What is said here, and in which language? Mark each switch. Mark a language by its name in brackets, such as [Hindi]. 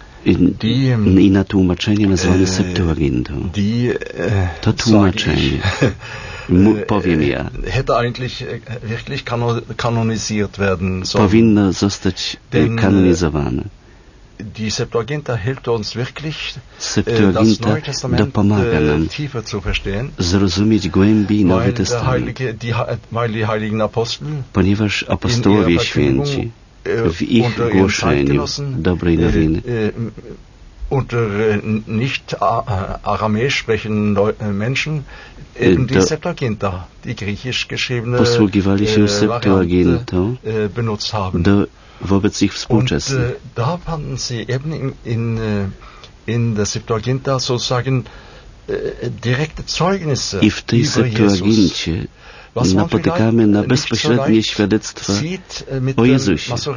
[Polish] i na tłumaczenie nazwane Septuagintą. To tłumaczenie. Powiem ja. [German] Hätte eigentlich wirklich kanonisiert werden sollen. [Polish] Powinno zostać kanonizowane. [German] Die Septuaginta hilft uns wirklich, [Polish] Septuaginta dopomaga nam [German] tiefer zu verstehen, [Polish] zrozumieć głębiej Nowy Testament, [German] die heiligen Apostel, [Polish] ponieważ apostołowie święci w ich głoszeniu dobrej nowiny [German] unter nicht aramäisch sprechenden Menschen die Septuaginta, die griechisch geschriebene Variante, benutzt haben. [Polish] Wobec ich współczesnych. [German] Und da fanden sie eben in der Septuaginta sozusagen direkte Zeugnisse [Polish] i w tej Septuagincie napotykamy na bezpośrednie świadectwa o Jezusie.